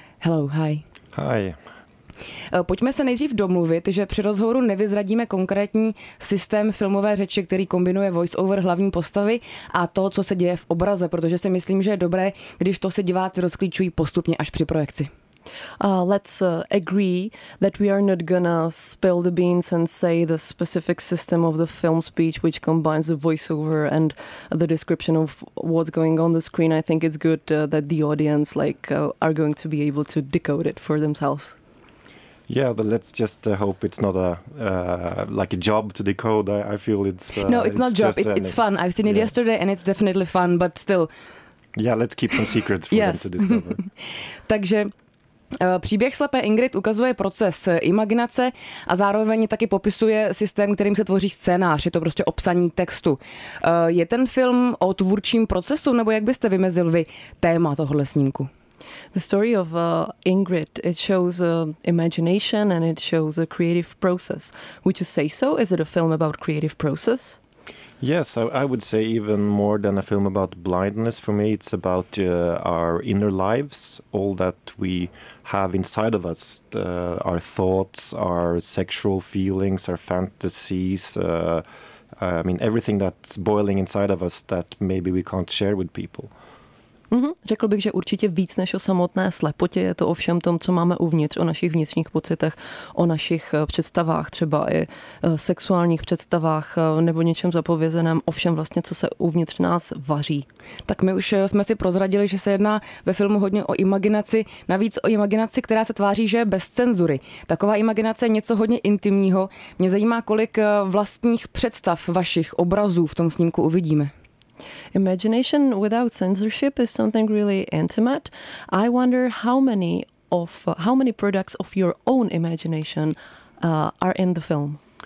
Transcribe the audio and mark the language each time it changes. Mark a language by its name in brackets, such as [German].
[English] Hello, hi. Hi. [Czech] Pojďme se nejdřív domluvit, že při rozhovoru nevyzradíme konkrétní systém filmové řeči, který kombinuje voice-over hlavní postavy a to, co se děje v obraze, protože si myslím, že je dobré, když to se diváci rozklíčují postupně až při projekci. [English] Let's agree that we are not gonna spill the beans and say the specific system of the film speech which combines the voiceover and the description of what's going on the screen. I think it's good that the audience are going to be able to decode it for themselves. Yeah, but let's just hope it's not a job to decode. I feel it's It's not job. It's fun. I've seen it yesterday, and it's definitely fun. But still, yeah, let's keep some secrets for them to discover. [Czech] Takže příběh Slepé Ingrid ukazuje proces imaginace a zároveň taky popisuje systém, kterým se tvoří scénář. Je to prostě opsaní textu. Je ten film o tvůrčím procesu, nebo jak byste vymezil vy téma tohohle snímku? [English] The story of Ingrid, it shows imagination and it shows a creative process. Would you say so? Is it a film about creative process? Yes, I would say even more than a film about blindness. For me, it's about our inner lives, all that we have inside of us, our thoughts, our sexual feelings, our fantasies, everything that's boiling inside of us that maybe we can't share with people. [Czech] Řekl bych, že určitě víc než o samotné slepotě, je to o všem tom, co máme uvnitř, o našich vnitřních pocitech, o našich představách, třeba i sexuálních představách nebo něčem zapovězeném, o všem vlastně, co se uvnitř nás vaří. Tak my už jsme si prozradili, že se jedná ve filmu hodně o imaginaci, navíc o imaginaci, která se tváří, že je bez cenzury. Taková imaginace je něco hodně intimního. Mě zajímá, kolik vlastních představ vašich obrazů v tom snímku uvidíme. [English] Imagination without censorship is something really intimate. I wonder how many products of your own imagination are in the film.